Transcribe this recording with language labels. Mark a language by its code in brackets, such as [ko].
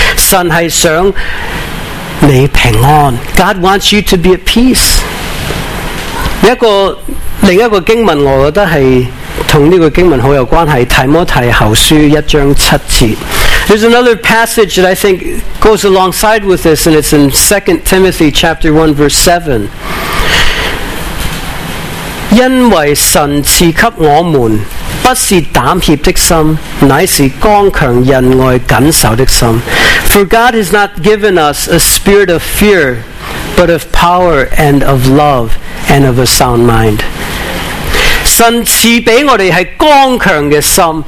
[zh] 神是想 [en] God wants you to be at peace. [zh] 另一个经文我觉得是跟这个经文很有关系，提摩太后书一章七节。 [en] There's another passage that I think goes alongside with this, and it's in 2 Timothy chapter 1 verse 7. [zh] 因为神赐给我们不是胆怯的心，乃是刚强仁爱紧守的心。 [en] For God has not given us a spirit of fear, but of power and of love and of a sound mind. [zh] 神赐给我们是刚强的心。